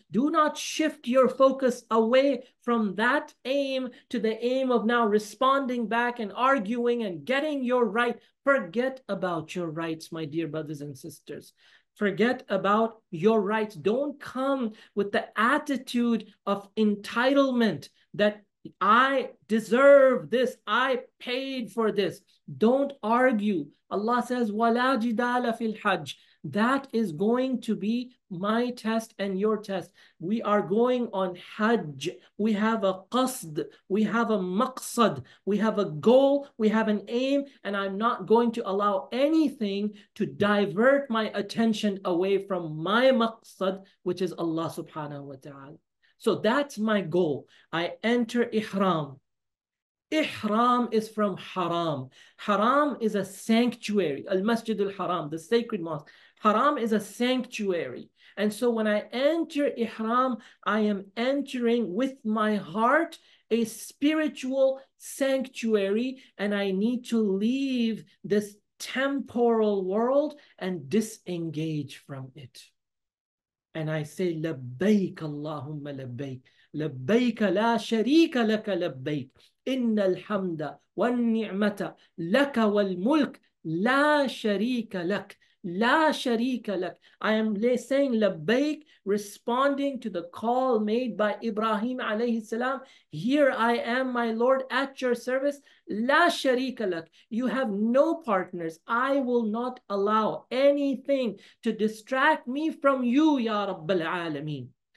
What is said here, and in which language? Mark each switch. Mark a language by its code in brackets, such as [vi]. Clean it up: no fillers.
[en] Do not shift your focus away from that aim to the aim of now responding back and arguing and getting your right. Forget about your rights, my dear brothers and sisters. Forget about your rights. Don't come with the attitude of entitlement that I deserve this. I paid for this. Don't argue. Allah says, [ar] وَلَا جِدَالَ فِي الْحَجِّ. [en] That is going to be my test and your test. We are going on Hajj. We have a qasd. We have a maqsad. We have a goal. We have an aim. And I'm not going to allow anything to divert my attention away from my maqsad, which is Allah subhanahu wa ta'ala. So that's my goal. I enter ihram. Ihram is from haram. Haram is a sanctuary. Al-Masjid al-Haram, the sacred mosque. Haram is a sanctuary. And so when I enter ihram, I am entering with my heart a spiritual sanctuary, and I need to leave this temporal world and disengage from it. And I say, labbaik Allahumma labbaik. [ar] لبيك لا شريك لك لبيك إن الحمد والنعمة لك والملك لا شريك لك لا شريك لك. [en] I am saying [ar] لبيك, [en] responding to the call made by Ibrahim عليه السلام. Here I am, my Lord, at your service. [ar] لا شريك لك. [en] You have no partners. I will not allow anything to distract me from you, Ya [ar] رب العالمين.